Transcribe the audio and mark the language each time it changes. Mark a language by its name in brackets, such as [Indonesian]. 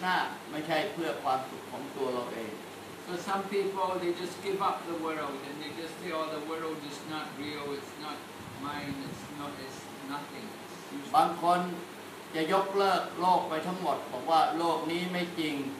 [Thai] ฉะนั้นเราจึงควรใช้ทุกสิ่งทุกอย่างเพื่อความสุขของคริสต์นาไม่ใช่เพื่อความสุขของตัวเราเอง. [English] So some people, they just give up the world and they just say, oh, the world is not real, it's not mine, it's nothing. [Thai] บางคนจะยกเลิกโลกไปทั้งหมดบอกว่าโลกนี้ไม่จริง.